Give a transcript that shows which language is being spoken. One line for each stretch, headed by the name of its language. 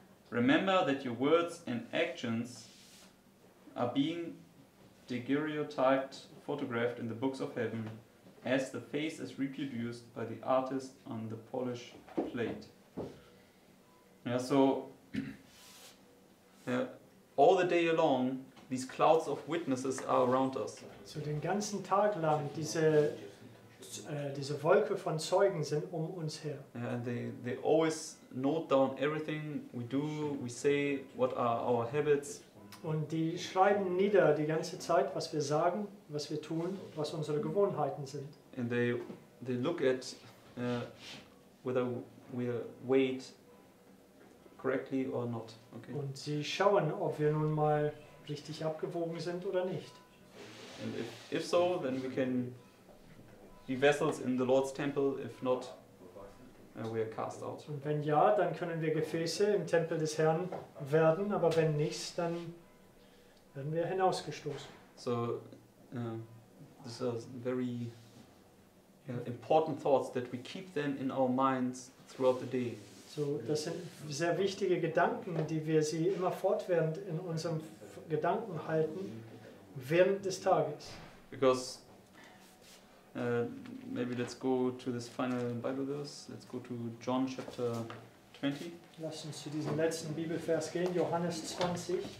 English: Remember that your words and actions are being daguerreotyped, photographed in the books of heaven, as the face is reproduced by the artist on the polished plate. Yeah, so all the day long, these clouds of witnesses are around us.
German: So den ganzen Tag lang diese Wolke von Zeugen sind um uns her.
English: Yeah, and they always note down everything we do, we say, what are our habits.
German: Und die schreiben nieder die ganze Zeit, was wir sagen, was wir tun, was unsere Gewohnheiten sind.
English: And they look at whether we weight correctly or not. Okay.
German: Und sie schauen, ob wir nun mal richtig abgewogen sind oder nicht.
English: And if so, then we can be vessels in the Lord's temple. If not, we are cast out.
German: Und wenn ja, dann können wir Gefäße im Tempel des Herrn werden. Aber wenn nicht, dann werden wir hinausgestoßen.
English: So, this is very important thoughts that we keep them in our minds throughout the day.
German: So, das sind sehr wichtige Gedanken, die wir sie immer fortwährend in unserem Gedanken halten während des Tages.
English: Because maybe let's go to this final Bible verse. Let's go to John chapter 20.
German: Lass uns zu diesem letzten Bibelvers gehen, Johannes 20.